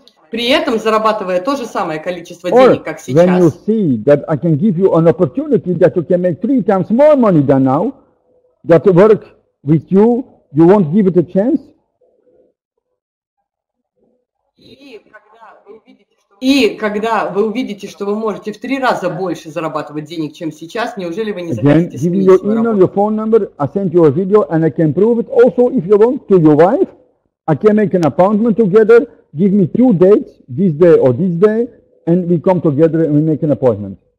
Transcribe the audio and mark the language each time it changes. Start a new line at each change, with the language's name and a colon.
Russian: При этом зарабатывая то же самое количество
English: Or
Russian: денег, как сейчас.
English: When you see that I can give you an opportunity that you can make three times more money than now, that to work with you, you won't give it a chance?
Russian: И когда вы увидите, что И когда вы увидите, что вы можете в три раза больше зарабатывать денег, чем сейчас, неужели вы не захотите сменить свою работу?
English: Give me your email, phone number, I sent you a video, and I can prove it. Also, if you want, to your wife, I can make an appointment together. Give me two dates, this day or this day, and we come together and we make an appointment.